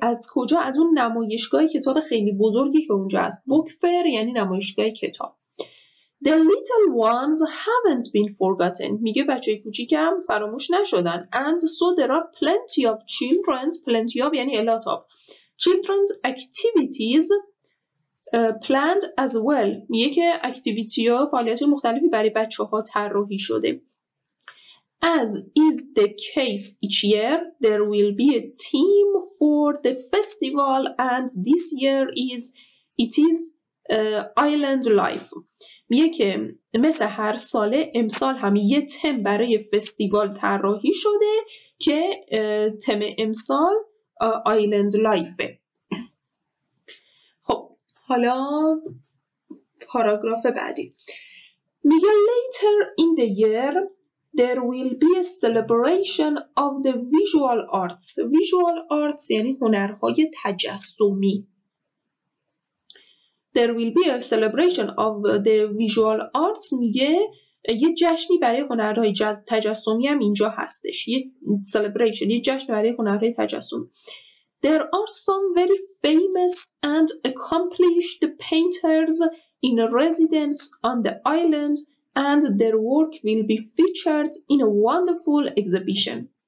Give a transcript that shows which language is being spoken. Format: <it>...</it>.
<fa>از کجا؟ از اون نمایشگاه کتاب خیلی بزرگی که اونجا هست. Book fair یعنی نمایشگاه کتاب.</fa> <en>The little ones haven't been forgotten.</en> <fa>میگه بچه کوچیکم فراموش نشدن.</fa> <en>And so there are plenty of children's, plenty of یعنی a lot of, children's activities planned as well.</en> <fa>میگه که اکتیویتی ها فعالیت مختلفی برای بچه ها طراحی شده.</fa> <en>As is the case each year, there will be a theme for the festival and this year it is island life.</en> <fa>میگه که مثل هر ساله امسال هم یه تم برای فستیوال طراحی شده که تم امسال آیلند لایفه. خب حالا پاراگراف بعدی میگه</fa> <en>later in the year there will be a celebration of the visual arts.</en> <fa>visual arts یعنی هنرهای تجسمی.</fa> <en>There will be a celebration of the visual arts.</en> <fa>میگه یه جشنی برای هنرهای تجسمی هم اینجا هستش. یه celebration، یه جشن برای هنرهای تجسمی.</fa> <en>There are some very famous and accomplished painters in residence on the island and their work will be featured in a wonderful exhibition.</en>